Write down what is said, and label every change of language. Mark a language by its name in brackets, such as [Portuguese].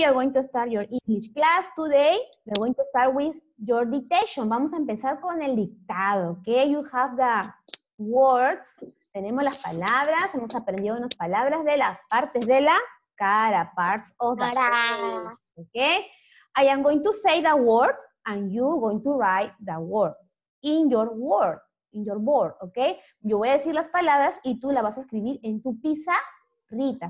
[English] You're going to start your English class today. We're going to start with your dictation. [Spanish] Vamos a empezar con el dictado, ¿ok? [English] You have the words. [Spanish] Tenemos las palabras. Hemos aprendido unas palabras de las partes de la cara. [English] Parts of the face, ¿ok? I am going to say the words and you're going to write the words in your word, in your board, ¿ok? [Spanish] Yo voy a decir las palabras y tú la vas a escribir en tu pizarrita.